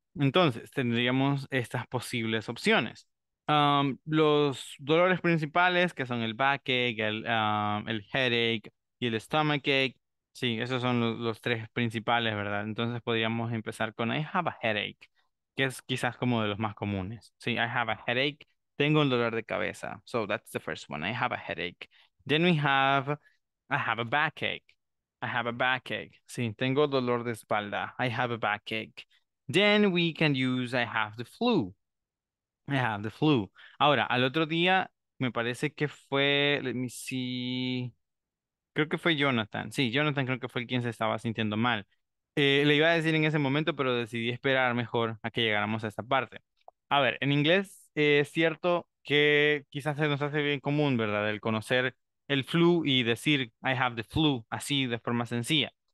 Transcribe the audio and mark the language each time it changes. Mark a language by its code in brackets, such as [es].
[es] Entonces, tendríamos estas posibles opciones. Los dolores principales, que son el backache, el headache y el stomachache. Sí, esos son los tres principales, ¿verdad? Entonces podríamos empezar con [en] I have a headache, [es] que es quizás como de los más comunes. Sí, [en] I have a headache. [es] Tengo un dolor de cabeza. [en] So that's the first one. I have a headache. Then we have I have a backache. I have a backache. [es] Sí, tengo dolor de espalda. [en] I have a backache. Then we can use I have the flu. I have the flu. [es] Ahora, al otro día, me parece que fue, [en] let me see, [es] creo que fue Jonathan. Sí, Jonathan creo que fue quien se estaba sintiendo mal. Le iba a decir en ese momento, pero decidí esperar mejor a que llegáramos a esta parte. A ver, en inglés es cierto que quizás se nos hace bien común, ¿verdad?, el conocer el flu y decir [en] I have the flu, [es] así, de forma sencilla.